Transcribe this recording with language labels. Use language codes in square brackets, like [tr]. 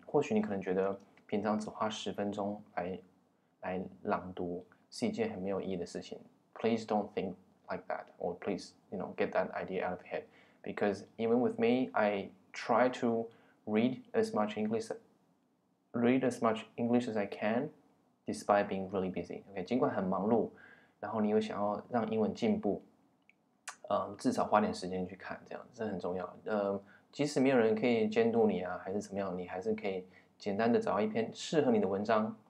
[zh] 或许你可能觉得平常只花十分钟来朗读是一件很没有意义的事情。 [en] Please don't think like that, or please, you know, get that idea out of your head. Because even with me, I try to read as much English as I can, despite being really busy. [zh] Okay, 尽管很忙碌，然后你又想要让英文进步，至少花点时间去看，这样这很重要。即使没有人可以监督你啊，还是怎么样，你还是可以简单的找到一篇适合你的文章。